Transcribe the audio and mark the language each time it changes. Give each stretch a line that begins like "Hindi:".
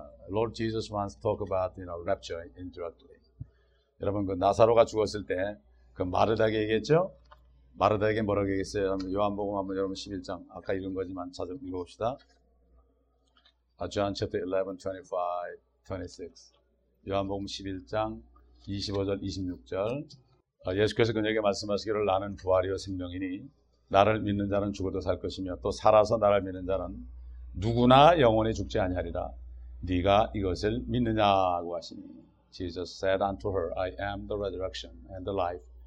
English: Lord Jesus wants to talk about, you know, rapture indirectly.
Korean: 여러분, 그 나사로가 죽었을 때 그 마르다에게 얘기했죠? 마르다에게 뭐라고 얘기했어요? 요한복음 한번 여러분 11장 아까 읽은 거지만 자주 읽어봅시다.
English: John chapter 11:25-26.
Korean: 요한복음 11장 25절 26절. 예수께서 그녀에게 말씀하시기를, 나는 부활이요 생명이니 나를 믿는 자는 죽어도 살 것이며 또 살아서 나를 믿는 자는 누구나 영원히 죽지 아니하리라. 네가 이것을 믿느냐고 하시니.
English: Jesus said unto her, I am the resurrection and the life.